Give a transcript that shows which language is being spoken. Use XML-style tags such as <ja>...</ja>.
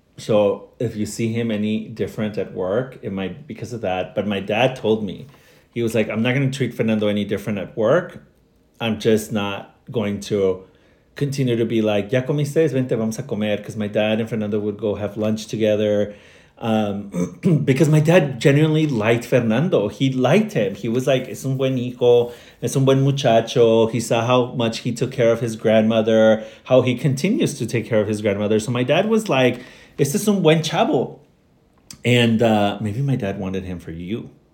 <en>So if you see him any different at work, it might be because of that. But my dad told me, he was like, I'm not going to treat Fernando any different at work. I'm just not going to continue to be like,</en> <es>ya comiste, vente, vamos a comer.</es> <en>Because my dad and Fernando would go have lunch together. Because my dad genuinely liked Fernando. He liked him. He was like,</en> <es>es un buen hijo, es un buen muchacho.</es> <en>He saw how much he took care of his grandmother, how he continues to take care of his grandmother. So my dad was like,</en> <es>este es un buen chavo.</es> <en>And maybe my dad wanted him for you.</en>